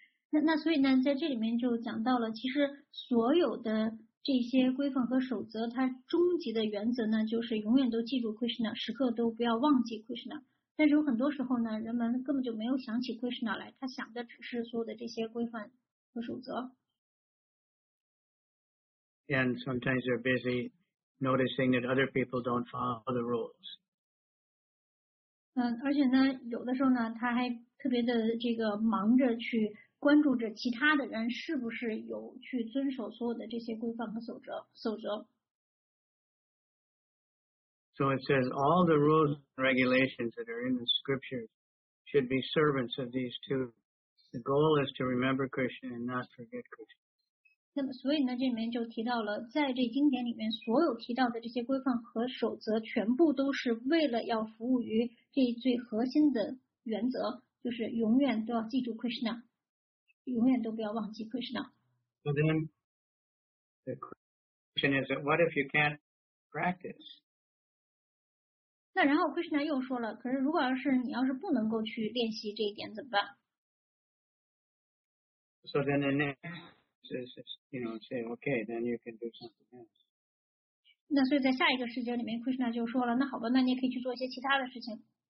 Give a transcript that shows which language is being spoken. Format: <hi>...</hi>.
<zh>那所以呢在这里面就讲到了其实所有的这些规范和守则它终极的原则呢就是永远都记住 Krishna 时刻都不要忘记 Krishna 但是有很多时候呢人们根本就没有想起 Krishna 来他想的只是所有的这些规范和守则</zh> <en>And sometimes they're busy noticing that other people don't follow the rules</en> <zh>而且呢有的时候呢他还特别的这个忙着去关注着其他的人是不是有去遵守所有的这些规范和守则。</zh> <en>So it says all the rules and regulations that are in the scriptures should be servants of these two. The goal is to remember Krishna and not forget Krishna.</en> <zh>那么所以呢，这里面就提到了，在这经典里面所有提到的这些规范和守则，全部都是为了要服务于这最核心的原则，就是永远都要记住 Krishna。永远都不要忘记 Krishna.</zh> <en>But then the question is that what if you can't practice?</en> <zh>那然后 Krishna 又说了，可是如果要是你要是不能够去练习这一点怎么办？</zh> <en>So then the next is, you know, say, okay, then you can do something else.</en> <zh>那所以在下一个世界里面 Krishna 就说了，那好吧，那你也可以去做一些其他的事情。</zh>